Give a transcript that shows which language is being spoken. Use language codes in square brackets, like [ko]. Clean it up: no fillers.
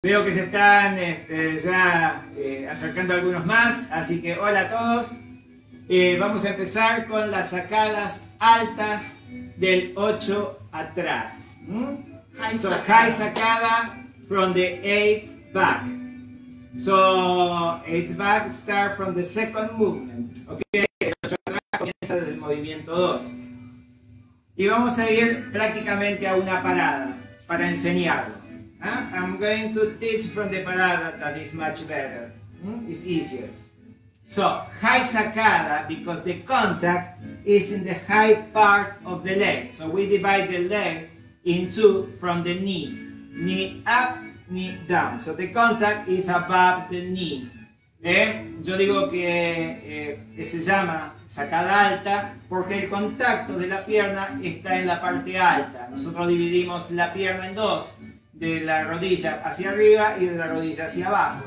[es] Veo que se están ya acercando algunos más, así que hola a todos. Vamos a empezar con las sacadas altas del 8 atrás. [en] High sacada from the 8th back. So, 8th back start from the second movement. [es] Okay, el 8 atrás comienza desde el movimiento 2. Y vamos a ir prácticamente a una parada para enseñarlo. [en] I'm going to teach from the parada, that is much better. It's easier. So, high sacada, because the contact is in the high part of the leg. So we divide the leg in two from the knee. Knee up, knee down. So the contact is above the knee. [es] Yo digo que se llama sacada alta porque el contacto de la pierna está en la parte alta. Nosotros dividimos la pierna en dos. De la rodilla hacia arriba y de la rodilla hacia abajo.